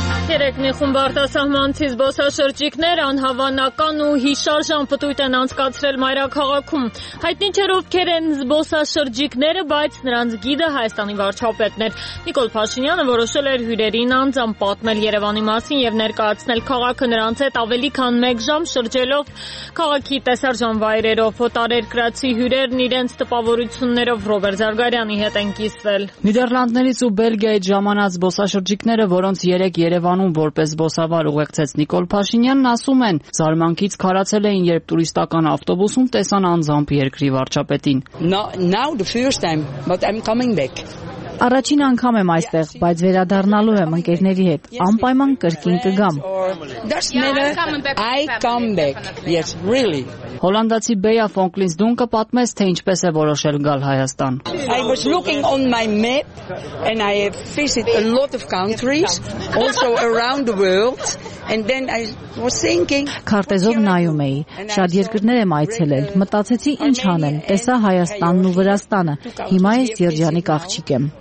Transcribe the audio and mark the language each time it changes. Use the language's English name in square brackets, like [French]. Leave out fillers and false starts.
[Armenian] Երեկնի խումբ արտասահմանցի զբոսաշրջիկներ անհավանական ու հիշարժան պտույտ են անցկացրել մայրաքաղաքում։ Հայտնի չէ ովքեր են զբոսաշրջիկները, բայց նրանց գիդը Հայաստանի վարչապետն էր։ Նիկոլ Փաշինյանը որոշել էր հյուրերին անձամբ պատմել Երևանի մասին և ներկայացնել քաղաքը նրանց հետ ավելի քան մեկ ժամ շրջելով քաղաքի տեսարժան վայրերով։ Ֆոտարերկրացի հյուրերն իրենց տպավորություններով Ռոբերտ Զարգարյանի հետ են կիսվել։ Նիդերլանդներից ու Բելգիայից ժամանած զբոսաշրջիկները, որոնց 3 Երևան անուն որպես զբոսավար ուղեկցեց Նիկոլ Փաշինյանն, ասում են, զարմանքից քարացել էին, երբ տուրիստական ավտոբուսում տեսան անձամբ երկրի վարչապետին։ [English] Now the first time, but I'm coming back. [Armenian] Առաջին անգամ եմ այստեղ, բայց վերադառնալու եմ ընկերների հետ։ Անպայման կրկին կգամ։ [English] I come back. Yes, really. [Armenian] Հոլանդացի Բեյա Ֆոնկլինս Դունկը պատմեց, թե ինչպես է որոշել գալ Հայաստան։ [English] I was looking on my map and I have visited a lot of countries also around the world and then I was thinking [Armenian] Քարտեզով նայում էի, շատ երկրներ եմ այցելել, մտածեցի ինչ անեմ, տեսա Հայաստանն ու Վրաստանը, հիմա ես Երջանիկ աղջիկ եմ։